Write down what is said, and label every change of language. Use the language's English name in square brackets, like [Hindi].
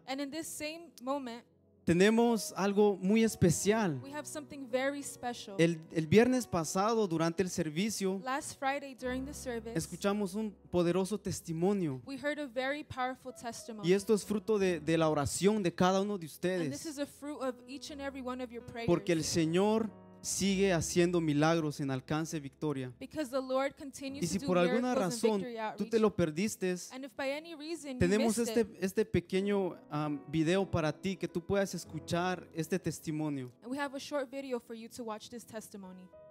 [English] and in this same moment, [Spanish] tenemos algo muy especial. [English] We have something very special. [Spanish] El viernes pasado, durante el servicio, [English] last Friday during the service, [Spanish] escuchamos un poderoso testimonio. [English] We heard a very powerful testimony. [Spanish] Y esto es fruto de la oración de cada uno de ustedes. [English] And this is a fruit of each and every one of your prayers. [Spanish] Porque el Señor sigue haciendo milagros en Alcance Victoria. [English] Because the Lord continues [Spanish] y si [English] to do [Spanish] por alguna razón tú te lo perdiste, tenemos este pequeño video para ti que tú puedas escuchar este testimonio. [English] And we have a short video for you to watch this testimony.